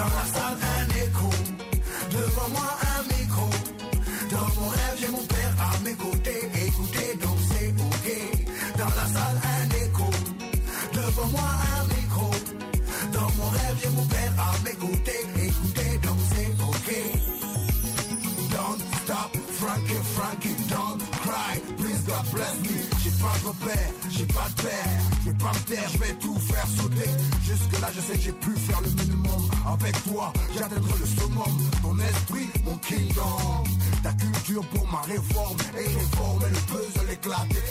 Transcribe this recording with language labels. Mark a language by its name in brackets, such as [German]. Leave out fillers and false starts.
[French] Dans la salle, un écho. Devant moi, un micro. Dans mon rêve, j'ai mon père à mes côtés. Écoutez, donc c'est ok. Dans la salle, un écho. Devant moi, un micro. Dans mon rêve, j'ai mon père à mes côtés. Écoutez, donc c'est ok. [English] Don't stop, Frankie, Frankie, don't cry. Please God bless me. [French] J'ai pas de père, j'ai pas de père. Je vais pas me taire, je vais tout faire sauter. Jusque là, je sais que j'ai pu faire le minimum. Avec toi, j'atteindrai le summum. Ton esprit, mon kingdom. Ta culture pour ma réforme, et réforme, et le puzzle éclate.